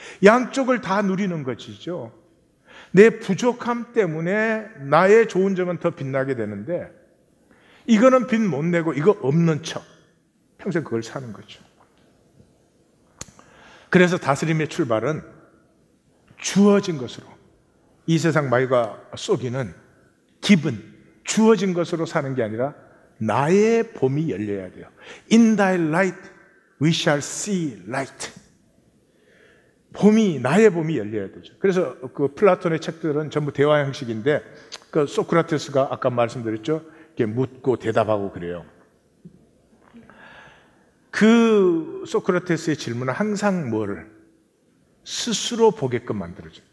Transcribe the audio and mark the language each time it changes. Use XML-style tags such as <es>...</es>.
<ko>양쪽을 다 누리는 것이죠. 내 부족함 때문에 나의 좋은 점은 더 빛나게 되는데, 이거는 빛 못 내고 이거 없는 척 평생 그걸 사는 거죠. 그래서 다스림의 출발은 주어진 것으로, 이 세상 말과 속이는 기분, 주어진 것으로 사는 게 아니라 나의 봄이 열려야 돼요.</ko> <en>In thy light we shall see light.</en> <ko>봄이, 나의 봄이 열려야 되죠. 그래서 그 플라톤의 책들은 전부 대화 형식인데, 그 소크라테스가 아까 말씀드렸죠, 이렇게 묻고 대답하고 그래요. 그 소크라테스의 질문은 항상 뭐를 스스로 보게끔 만들어줘.</ko>